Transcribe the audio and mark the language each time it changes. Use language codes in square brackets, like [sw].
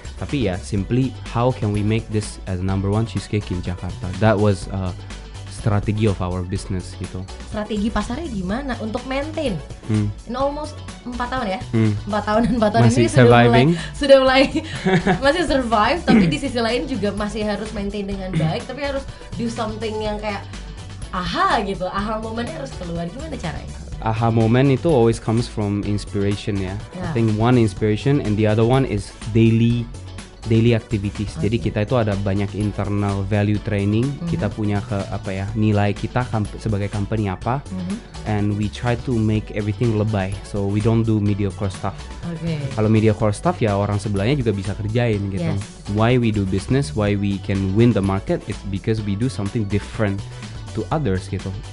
[id] Tapi ya [en] simply how can we make this as number one cheesecake in Jakarta? That was strategy of our business [id] gitu. Strategi pasarnya gimana untuk maintain? [en] In almost [id] 4 tahun ya. 4 tahun dan 4 tahun masih ini sudah mulai masih survive, tapi di sisi lain juga masih harus maintain dengan baik, tapi harus [en] do something [id] yang kayak aha gitu. Aha momennya harus keluar. Gimana caranya? [en] Aha moment itu always comes from inspiration ya. Yeah. I think one inspiration and the other one is daily activities. [id] Okay. Jadi kita itu ada banyak internal value training. Mm-hmm. Kita punya nilai kita sebagai company apa. Mm-hmm. [en] And we try to make everything [id] lebay. [en] So we don't do mediocre stuff. Okay. [id] Kalau mediocre stuff ya orang sebelahnya juga bisa kerjain gitu. [en] Yes. Why we do business, why we can win the market is because we do something different to others [id] gitu.